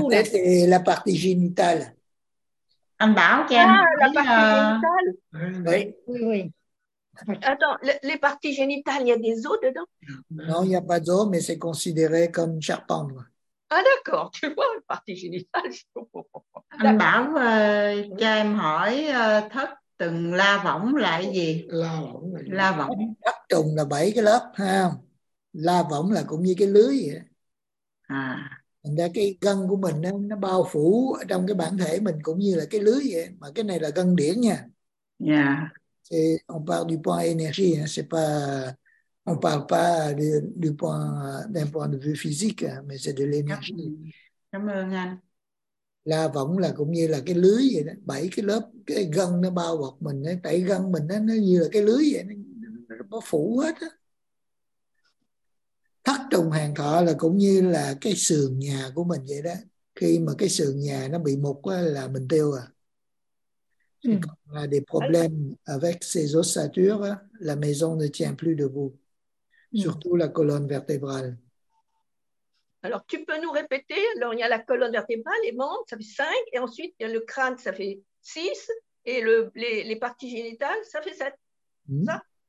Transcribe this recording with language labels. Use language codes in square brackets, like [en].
[fr] cou. La tête et la partie génitale. En bas, ok. Ah, la partie génitale. Oui, oui. Oui. Attends, les parties génitales, il y a des os dedans? Non, il n'y a pas d'os, mais c'est considéré comme une charpente. Ah d'accord, tu vois, les parties génitales. [vi] Anh Bảo, cho em hỏi thất từng la võng là cái gì? La võng. Thất trùng là 7 cái lớp, ha? La võng là cũng như cái lưới vậy. À. Thành ra cái gân của mình nó bao phủ trong cái bản thể mình cũng như là cái lưới vậy. Mà cái này là gân điển nha. Dạ. Yeah. [fr] C'est, on parle du point énergie, hein, c'est pas, on parle pas du point, d'un point de vue physique, hein, mais c'est de l'énergie. [vi] Cảm ơn anh. La võng là cũng như là cái lưới vậy đó, 7 cái lớp, cái gân nó bao bọc mình, ấy, tại gân mình ấy, nó như là cái lưới vậy, nó bao phủ hết. Đó. Thắt trùng hàng thọ là cũng như là cái sườn nhà của mình vậy đó, khi mà cái sườn nhà nó bị mục là mình tiêu à. [fr] Quand on a des problèmes avec ces ossatures, la maison ne tient plus debout, surtout la colonne vertébrale. Alors, tu peux nous répéter, alors il y a la colonne vertébrale, les membres, ça fait 5, et ensuite, il y a le crâne, ça fait 6, et les parties génitales, ça fait 7, ça?